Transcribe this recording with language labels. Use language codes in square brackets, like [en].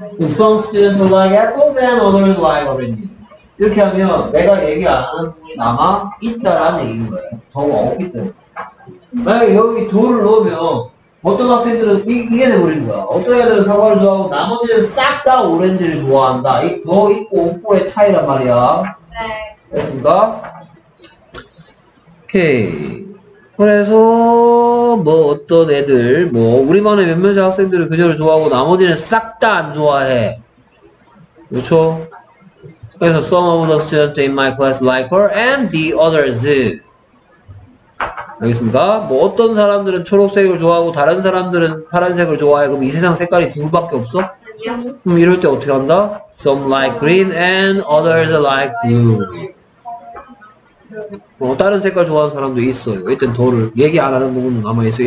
[en] Some students like apples and others like oranges. [ko] 이렇게 하면 내가 얘기 안 하는 부분이 남아 있다라는 얘기인 거예요. 더가 없기 때문에. 만약에 여기 돌을 넣으면 어떤 학생들은 이게 돼버린 거야. 어떤 애들은 사과를 좋아하고 나머지는 싹 다 오렌지를 좋아한다. 이 더 있고 없고의 차이란 말이야. 네. 됐습니까? 오케이. 그래서 뭐 어떤 애들, 뭐 우리 반의 몇몇 학생들은 그녀를 좋아하고 나머지는 싹 다 안 좋아해. 그렇죠? [en] 그래서 some of the students in my class like her and the others. [ko] 알겠습니다. 뭐 어떤 사람들은 초록색을 좋아하고 다른 사람들은 파란색을 좋아해. 그럼 이 세상 색깔이 둘밖에 없어? 그럼 이럴 때 어떻게 한다? [en] Some like green and others like blue. [ko] 뭐 다른 색깔 좋아하는 사람도 있어요. 이땐 돌을 얘기 안 하는 부분은 남아있어요.